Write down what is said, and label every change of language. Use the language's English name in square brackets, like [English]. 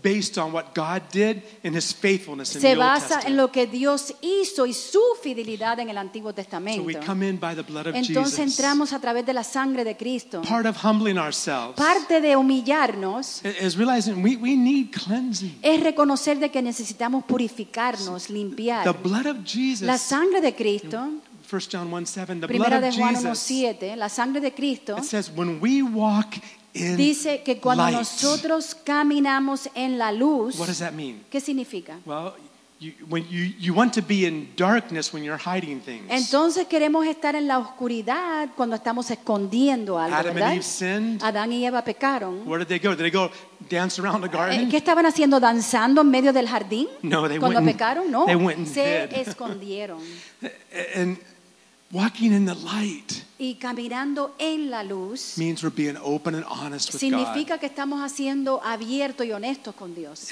[English] Based on what God did in His faithfulness in [Spanish] Se [English] the [Spanish] basa [English] Old Testament. [Spanish] En lo que Dios hizo y su fidelidad en el Antiguo Testamento. [English] So we come in by the blood of [Spanish] Entonces Entramos a través de la sangre de Cristo. [English] Part of humbling ourselves. [Spanish] Parte de humillarnos [English] is realizing we need cleansing. [Spanish] Es reconocer de que necesitamos purificarnos, limpiar. [English] The blood of Jesus, [Spanish] la sangre de Cristo. [English] 1 John 1:7, the [Spanish] Primera [English] blood of [Spanish] Juan [English] Jesus. [Spanish] 1:7, la sangre de Cristo. [English] It says when we walk in [Spanish] dice que cuando [English] light, [Spanish] nosotros caminamos en la luz. [English] What does that mean? [Spanish] ¿Qué significa? [English] Well, you want to be in darkness when you're hiding things. [Spanish] Entonces queremos estar en la oscuridad cuando estamos escondiendo algo, [English] Adam [Spanish] ¿verdad? [English] And Eve sinned. [Spanish] Adán y Eva pecaron. [English] Where did they go? Did they go dance around the garden? [Spanish] ¿Qué estaban haciendo danzando en medio del jardín? [English] No, they [Spanish] cuando [English] went [Spanish] pecaron, no. [English] They went and [Spanish] se [English] hid. [Spanish] Escondieron. [English] And walking in the light. [Spanish] Y caminando en la luz [English] means we're being open and honest with [Spanish] significa [English] God. [Spanish] Que estamos siendo abiertos y honestos con Dios.